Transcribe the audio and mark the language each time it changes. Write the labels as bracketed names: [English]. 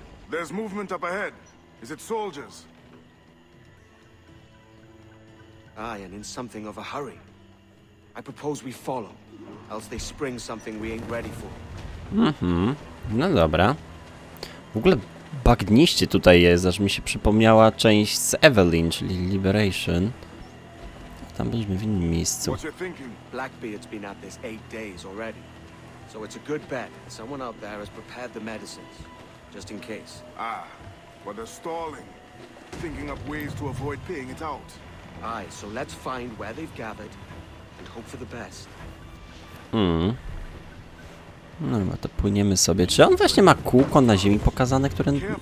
[English] There's movement up ahead. Is it soldiers? Aye, and in something of a hurry. I propose we follow, else they spring something we ain't ready for. [Polish] No dobra. W ogóle bagniście tutaj jest, aż mi się przypomniała część z Evelyn, czyli Liberation. Tam byliśmy w innym miejscu. [English] What you thinking? Blackbeard's been at this 8 days already. So it's a good bet that someone out there has prepared the medicines, just in case. Ah, but they're stalling, thinking up ways to avoid paying it out. Aye, so let's find where they've gathered and hope for the best. [Polish] No, no to płyniemy sobie. Czy on właśnie ma kółko na ziemi pokazane, które...